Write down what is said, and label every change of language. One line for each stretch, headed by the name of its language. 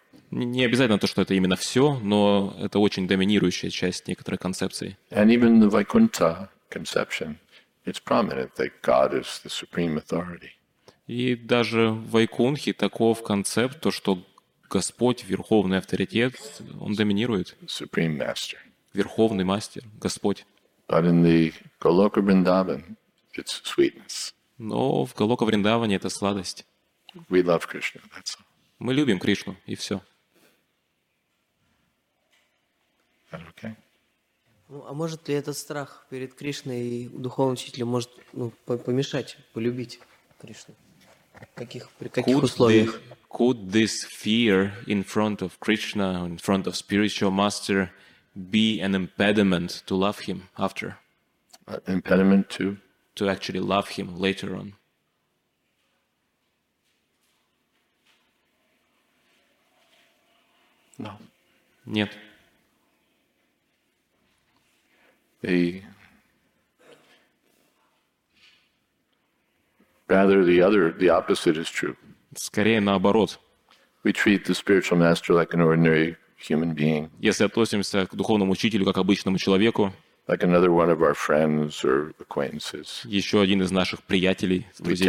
Russian: Не обязательно то, что это именно все, но это очень доминирующая часть некоторых концепций.
English: And even the Vaikuntha conception, it's prominent that God is the supreme authority.
Russian: И даже в Вайкунхе таков концепт, то, что Господь, верховный авторитет, он доминирует.
English: Supreme Master.
Russian: Верховный мастер, Господь.
English: But in the Goloka Vrindavan, it's sweetness.
Russian: Но в Голока Вриндаване это сладость.
English: We love Krishna, that's all.
Russian: Мы любим Кришну, и все.
English: Okay.
Russian: Ну, а может ли этот страх перед Кришной и духовным учителем может помешать полюбить Кришну? При каких условиях?
English: Could this fear in front of Krishna, in front of spiritual master, be an impediment to love him after? An impediment to? To actually love him later on. No.
Russian: Нет.
English: The opposite is true.
Russian: Скорее наоборот.
English: We treat the spiritual master like an ordinary human being.
Russian: Если относимся к духовному учителю как обычному человеку.
English: Like another one of our friends or acquaintances.
Russian: Еще один из наших приятелей, друзей.